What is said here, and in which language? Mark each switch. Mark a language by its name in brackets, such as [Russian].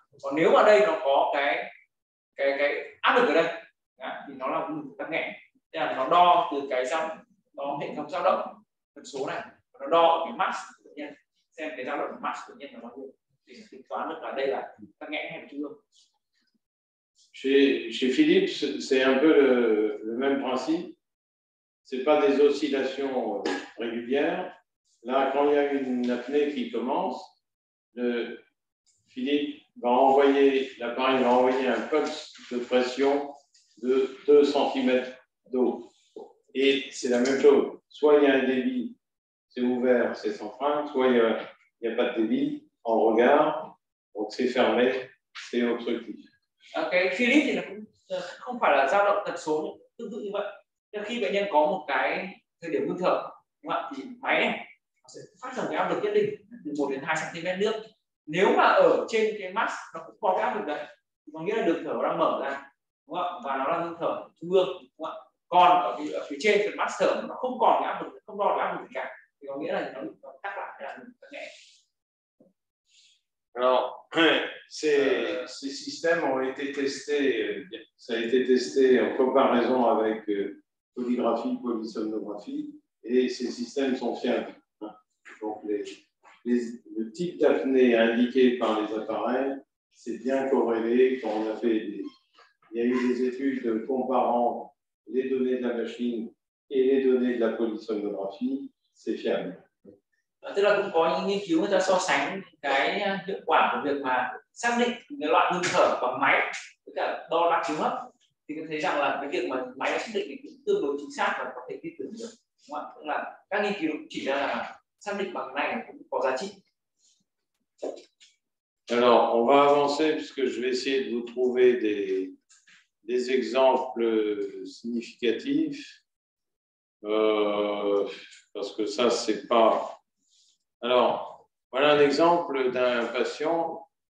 [Vietnamese] Còn nếu mà đây nó có cái áp lực ở đây thì nó là ngực tắc nghẽn. Thế là nó đo từ cái dòng, nó hệ thống dao động tần số này, nó đo cái mass của bệnh nhân, xem cái dao động của mass của bệnh nhân là bao nhiêu, thì tính toán được là đây là tắc nghẽn hay là trung ương. [French] Chez Philippe, c'est un peu le même principe. Ce n'est pas des oscillations régulières. Là, quand il y a une apnée qui commence, Philippe va envoyer, l'appareil va envoyer un pulse de pression de 2 cm d'eau. Et c'est la même chose. Soit il y a un débit, c'est ouvert, c'est sans frein. Soit il n'y a pas de débit, on regarde, donc c'est fermé, c'est obstructif. [Vietnamese] Cái Philips thì nó cũng không phải là dao động tần số tương tự như vậy. Nhưng khi bệnh nhân có một cái thời điểm ngưng thở, đúng không ạ, thì máy nó sẽ phát ra cái áp lực nhất định từ 1 đến 2 cm nước. Nếu mà ở trên cái mask nó cũng có cái áp lực đấy, có nghĩa là đường thở đang mở ra, đúng không ạ, và nó đang ngưng thở trung ương, đúng không ạ. Còn ở phía trên cái mask thở nó không còn cái áp lực, không còn cái áp lực gì cả, thì có nghĩa là nó bị tắc lại, cái áp lực nhẹ. [French] Alors, ces systèmes ont été testés, ça a été testé en comparaison avec polygraphie, polysomnographie, et ces systèmes sont fiables. Donc, le type d'apnée indiqué par les appareils, c'est bien corrélé. Quand on a fait il y a eu des études comparant les données de la machine et les données de la polysomnographie, c'est fiable. [Vietnamese] Tức là cũng có những nghiên cứu người ta so sánh cái hiệu quả của việc mà xác định cái loại ngưng thở bằng máy với cả đo đạc trường hấp, thì có thấy rằng là cái việc mà máy xác định thì cũng tương đối chính xác và có thể tin tưởng được, đúng không ạ? Tức là các nghiên cứu chỉ ra là xác định bằng này cũng có giá trị. [French] Alors, on va avancer puisque je vais essayer de vous trouver des exemples significatifs parce que ça c'est pas. Alors, voilà un exemple d'un patient.